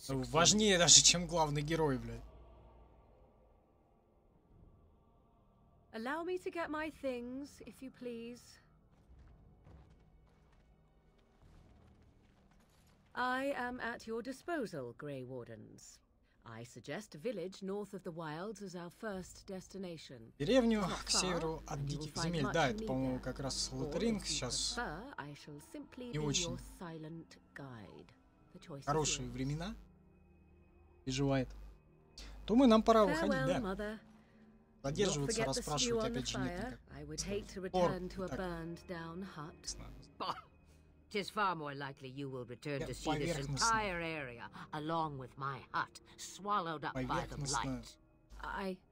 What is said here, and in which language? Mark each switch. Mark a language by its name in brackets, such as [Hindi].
[Russian] Важнее даже, чем главный герой, блядь. [English] Allow me to get my things, if you please. I am at your disposal, Grey Wardens. I suggest a village north of the wilds as our first destination. [Russian] Деревню к северу от диких земель. Да, это, по-моему, как раз Лотеринг сейчас. [English] I shall simply be your silent guide. The choice is [Russian] хорошие времена. Переживает. Думаю, нам пора выходить, да. Задерживаться, расспрашивать опять же нет. [English] I would hate to return to a burned down hut. Tis far more likely you will return to see this entire area, along with my hut, swallowed up by the blight.